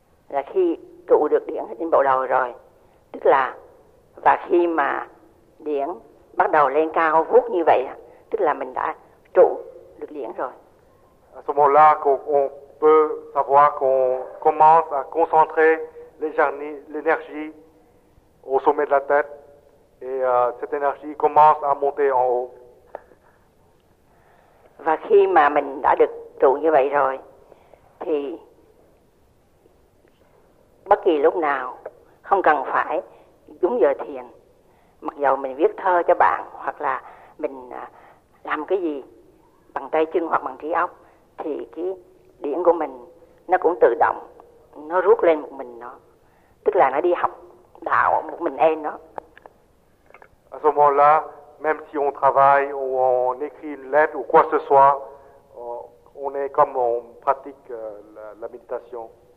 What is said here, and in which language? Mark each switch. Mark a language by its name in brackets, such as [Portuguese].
[Vietnamese] Là khi tụ được điển trên bộ đầu rồi, tức là, và khi mà điển bắt đầu lên cao vút như vậy, tức là mình đã trụ được điển rồi. [French] À ce moment-là, on peut savoir qu'on commence à concentrer l'énergie au sommet de la tête. Et cette énergie commence à monter en haut. [Vietnamese] Và khi mà mình đã được trụ như vậy rồi, thì bất kỳ lúc nào, không cần phải đúng giờ thiền, mặc dù mình viết thơ cho bạn, hoặc là mình làm cái gì bằng tay chân hoặc bằng trí óc, thì cái điển của mình nó cũng tự động, nó rút lên một mình nó. Tức là nó đi học đạo một mình em nó. [French] À ce moment-là, même si on travaille ou on écrit une lettre ou quoi que ce soit, on est comme on pratique la méditation.